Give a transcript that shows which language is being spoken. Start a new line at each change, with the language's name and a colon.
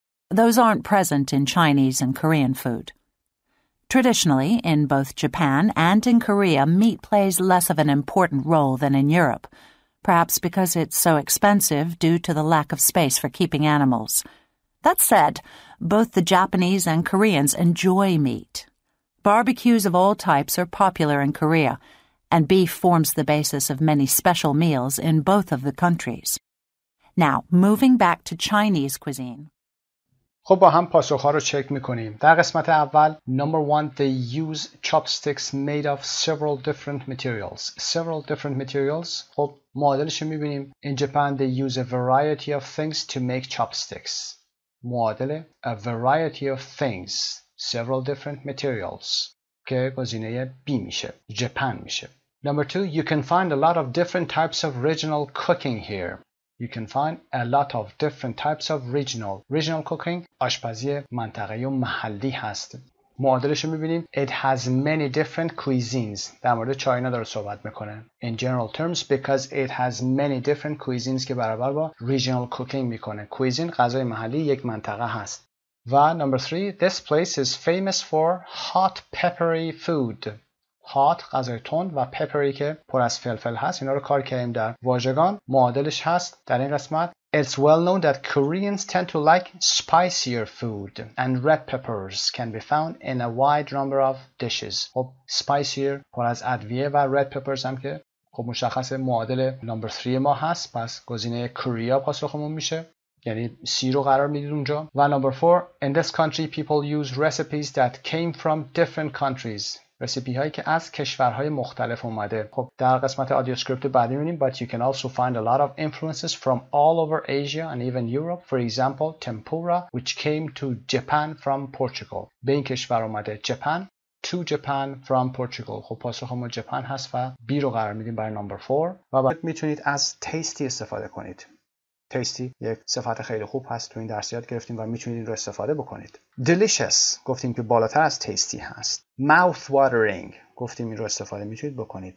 English: Those aren't present in Chinese and Korean food. Traditionally, in both Japan and in Korea, meat plays less of an important role than in Europe, perhaps because it's so expensive due to the lack of space for keeping animals. That said, both the Japanese and Koreans enjoy meat. Barbecues of all types are popular in Korea, and beef forms the basis of many special meals in both of the countries. Now, moving back to Chinese cuisine.
Persian: خب با هم پاسخ‌ها رو چک می‌کنیم. در قسمت اول
English: number 1 they use chopsticks made of several different materials. Several different materials. خب معادلش رو می‌بینیم. In Japan they use a variety of things to make chopsticks. معادله a variety of things. Several different materials.
Persian: که گزینه B میشه. Japan میشه.
English: Number 2 you can find a lot of different types of regional cooking here. You can find a lot of different types of regional.
Persian: Regional cooking, آشپزی منطقه‌ای و محلی هست. معادلش رو می‌بینیم.
English: It has many different cuisines.
Persian: در مورد چاینا داره صحبت می‌کنه.
English: In general terms, because it has many different cuisines
Persian: که برابر با regional cooking می‌کنه. Cuisine, غذای محلی یک منطقه هست.
English: و number 3, this place is famous for hot peppery food.
Persian: Hot غذای تند و peppery که پر از فلفل هست. اینا رو کار کردیم در واژگان. معادلش هست در این قسمت.
English: It's well known that Koreans tend to like spicier food and red peppers can be found in a wide number of dishes.
Persian: خب spicier پر از ادویه و red peppers هم که خب مشخص معادل number 3 ما هست. پس گزینه کوریا پاسخمون میشه. یعنی سی رو قرار میدید اونجا.
English: و number 4, in this country people use recipes that came from different countries.
Persian: رسیپی هایی که از کشورهای مختلف اومده. خب در قسمت آدیو اسکریپت بعدی می‌بینیم,
English: but you can also find a lot of influences from all over Asia and even Europe. For example, tempura which came to Japan from Portugal.
Persian: به این کشور اومده.
English: Japan to Japan from Portugal.
Persian: خب پاسخ ما ژاپن هست و بی رو قرار میدیم برای نمبر 4. و بعد میتونید از tasty استفاده کنید. Tasty یک صفت خیلی خوب هست, تو این درس یاد گرفتیم و میتونید این رو استفاده بکنید. Delicious گفتیم که بالاتر از tasty هست. Mouth watering گفتیم این رو استفاده میتونید بکنید.